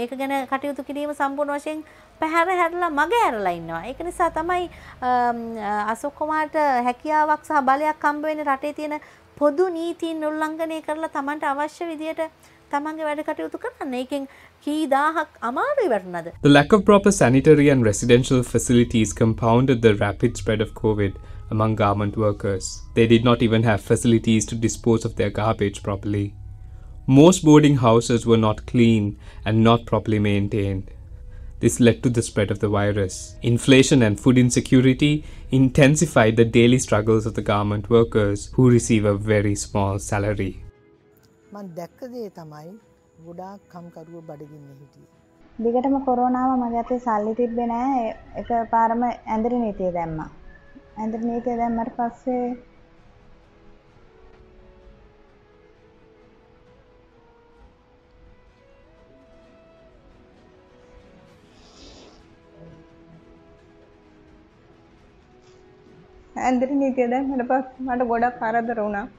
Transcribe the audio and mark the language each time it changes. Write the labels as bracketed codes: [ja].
[si] මේක ගැන කටයුතු කිරීම සම්පූර්ණ වශයෙන් පැහැර හැරලා මග ඇරලා ඉන්නවා. ඒක නිසා තමයි අසෝක් කුමාර්ට හැකියාවක් සහ බලයක් හම්බ වෙන්නේ රටේ තියෙන පොදු නීතීන් උල්ලංඝනය කරලා තමන්ට අවශ්‍ය විදියට තමන්ගේ වැඩ කටයුතු කරන්න. ඒකෙන් කී දහහක් අමාරු වෙන්නද? [en] The lack of proper sanitary and residential facilities compounded the rapid spread of COVID among garment workers. They did not even have facilities to dispose of their garbage properly. Most boarding houses were not clean and not properly maintained. This led to the spread of the virus. Inflation and food insecurity intensified the daily struggles of the garment workers who receive a very small salary. [si] මන් දැක්ක දේ තමයි ගොඩාක් කම්කරුව බඩගින්නේ හිටියේ. දිගටම කොරෝනාව මගත්තේ සල්ලි තිබ්බේ නැහැ. එක පාරම ඇඳිරි නීතිය දැම්මා. ඇඳිරි නීතිය දැම්මට පස්සේ ඇඳිරි නීතිය දැම්මට පස්සේ මට ගොඩක් කරදර වුණා.